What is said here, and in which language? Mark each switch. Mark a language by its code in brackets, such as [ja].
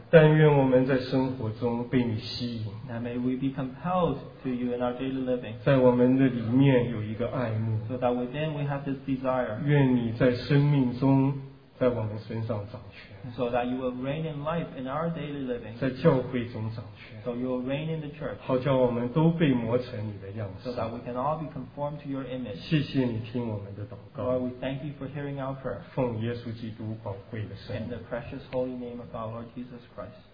[zh] 但愿我们在生活中被你吸引, [en] and may we be compelled to you in our daily living. [zh] 在我们的里面有一个爱慕, [en] so that within we have this desire. [zh] 愿你在生命中, 在我们身上掌权, [en] so that you will reign in life in our daily living. [zh] 在教会中掌权, [en] so you will reign in the church. [zh] 好叫我们都被磨成你的样式, [en] so that we can all be conformed to your image. [zh] 谢谢你听我们的祷告, [en] Lord, we thank you for hearing our prayer. [zh] 奉耶稣基督宝贵的圣名, [en] in the precious holy name of our Lord Jesus Christ.